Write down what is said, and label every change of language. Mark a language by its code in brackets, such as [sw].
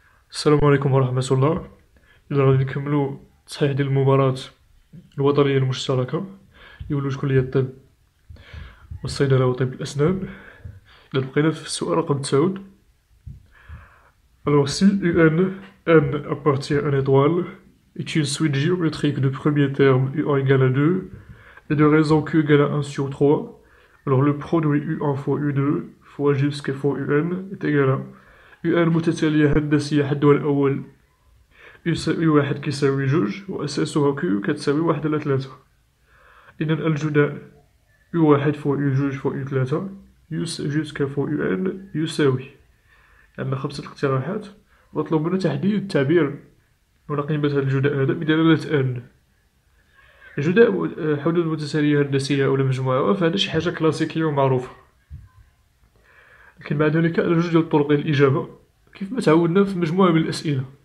[ar] السلام عليكم ورحمة الله. إذا غادي نكملوا تصحيح ديال المباراة الوطنية المشتركة يولوش كلية الطب والصيدلة وطب الأسنان. [fr] إذا بقينا في السؤال رقم 9، alors si UN N appartient à une étoile est une suite géométrique de premier terme U1 égale à 2 et de raison Q égale à 1 sur 3, alors le produit U1 fois U2 fois G jusqu'à fois UN est égal à UN متتالية هندسية حدها الأول يساوي واحد كيساوي جوج وأساسها كيو كتساوي واحد على ثلاثة. [ar] إذا الجداء U1 فوق U2 فوق U3 جوسك فوق UN يساوي عندنا 5 اقتراحات. مطلوب منا تحديد التعبير ولقيمة هذا الجداء هذا بدلالة N. جداء حدود متتالية هندسية أو مجموعة فهذا شي حاجة كلاسيكية ومعروفة، لكن بعد ذلك على جوج الطرق للإجابة كيف ما تعودنا في مجموعة من الأسئلة.